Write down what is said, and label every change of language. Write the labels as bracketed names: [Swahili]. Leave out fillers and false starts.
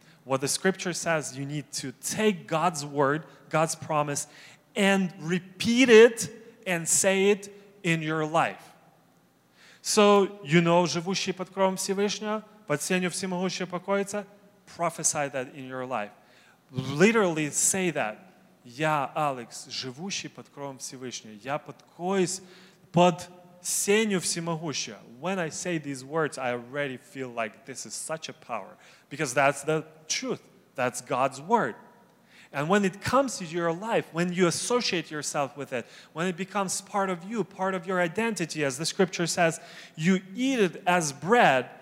[English] What the scripture says, you need to take God's word, God's promise, and repeat it and say it in your life. So you know, [Russian] живущий под кровом Всевышнего, под сенью всемогущего покоится, [English] prophesy that in your life. Literally say that. [Russian] Я, Алекс, живущий под кровом Всевышнего. Я подкоюсь под сенью всемогущего. [English] When I say these words, I already feel like this is such a power. Because that's the truth. That's God's word. And when it comes to your life, when you associate yourself with it, when it becomes part of you, part of your identity, as the scripture says, you eat it as bread.